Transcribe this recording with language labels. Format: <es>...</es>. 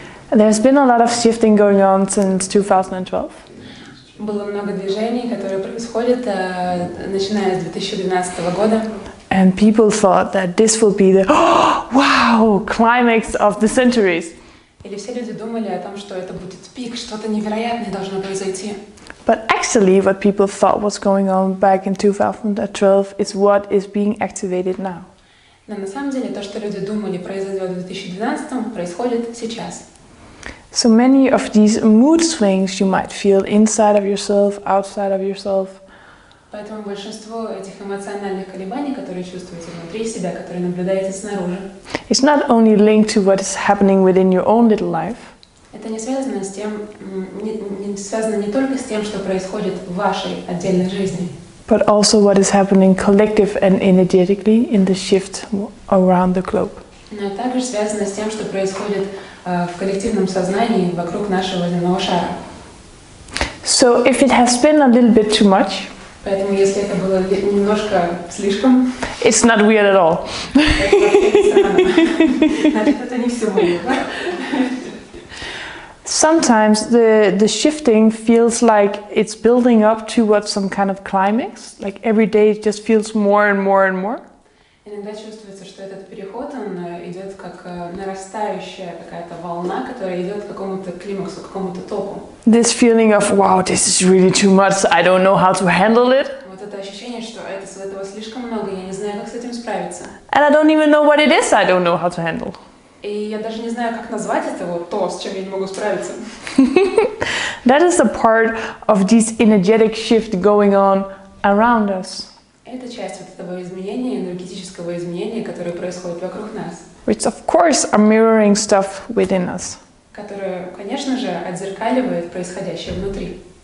<en>There's been a lot of shifting going on since 2012.</en> <ru>Было много движений, которые происходят, начиная с 2012 года.</ru> <en>And people thought that this will be the wow climax of the centuries.</en> <ru>Или все люди думали о том, что это будет пик, что-то невероятное должно произойти.</ru> <en>But actually, what people thought was going on back in 2012 is what is being activated now.</en> <ru>Но на самом деле то, что люди думали произойдет в 2012, происходит сейчас.</ru> <en>So many of these mood swings you might feel inside of yourself, outside of yourself.</en> <ru>Поэтому большинство этих эмоциональных колебаний, которые чувствуете внутри себя, которые наблюдаете снаружи.</ru> <en>It's not only linked to what is happening within your own little life.</en> <ru>Это не связано с тем, связано не только с тем, что происходит в вашей отдельной жизни.</ru> <en>But also what is happening collective and energetically in the shift around the globe.</en> <ru>Но также связано с тем, что происходит в коллективном сознании вокруг нашего земного шара.</ru> <en>So if it has been a little bit too much.</en> <ru>Поэтому если это было немножко слишком.</ru> <en>It's not weird at all.</en> <ru>Это не все мое.</ru> <en>Sometimes the shifting feels like it's building up towards some kind of climax. Like every day it just feels more and more and more.</en> <ru>Иногда чувствуется, что этот переход, он идет как нарастающая какая-то волна, которая идет к какому-то климаксу, к какому-то топу.</ru> <en>This feeling of, wow, this is really too much, I don't know how to handle it.</en> <ru>Вот это ощущение, что этого слишком много, я не знаю, как с этим справиться.</ru> <en>And I don't even know what it is, I don't know how to handle.</en> <ru>И я даже не знаю, как назвать это вот то, с чем я не могу справиться.</ru> <en>That is a part of this energetic shift going on around us.</en> <ru>Это часть вот этого изменения, энергетического изменения, которое происходит вокруг нас.</ru> <en>Which of course are mirroring stuff within us.</en> <ru>Которое, конечно же, отзеркаливает происходящее внутри.</ru>